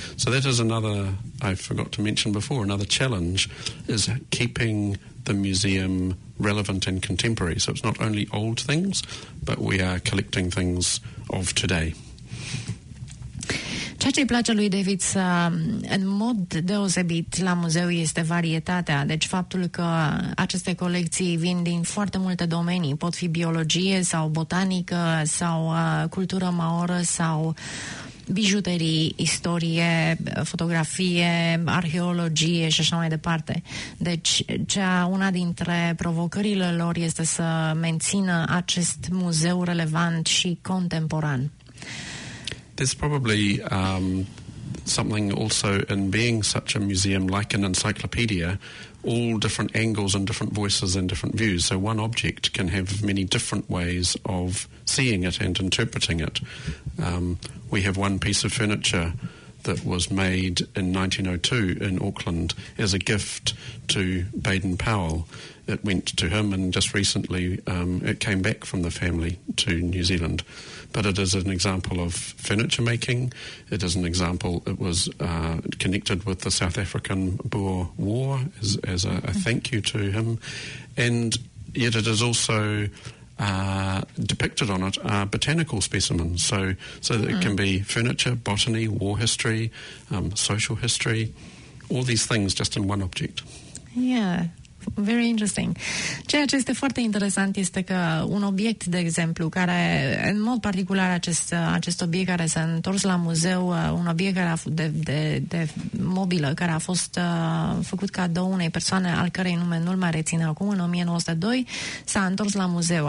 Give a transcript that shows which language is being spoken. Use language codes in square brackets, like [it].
[en] So that is another, I forgot to mention before, another challenge is keeping the museum relevant and contemporary. So it's not only old things, but we are collecting things of today. [ro] Ceea ce îi place lui David să, în mod deosebit la muzeu este varietatea, deci faptul că aceste colecții vin din foarte multe domenii, pot fi biologie sau botanică sau cultură maoră sau bijuterii, istorie, fotografie, arheologie și așa mai departe. Deci, una dintre provocările lor este să mențină acest muzeu relevant și contemporan. [en] There's probably something also in being such a museum, like an encyclopedia, all different angles and different voices and different views. So one object can have many different ways of seeing it and interpreting it. We have one piece of furniture that was made in 1902 in Auckland as a gift to Baden Powell. It went to him, and just recently it came back from the family to New Zealand. But it is an example of furniture making. It is an example. It was connected with the South African Boer War as a thank you to him. And yet it is also depicted on it are botanical specimens. So that it can be furniture, botany, war history, social history, all these things just in one object. Yeah. Very interesting. [ro] Ceea ce este foarte interesant este că un obiect, de exemplu, care, în mod particular acest obiect care s-a întors la muzeu, un obiect care a fost de mobilă, care a fost făcut cadou unei persoane al cărei nume nu-l mai rețin acum, în 1902, s-a întors la muzeu.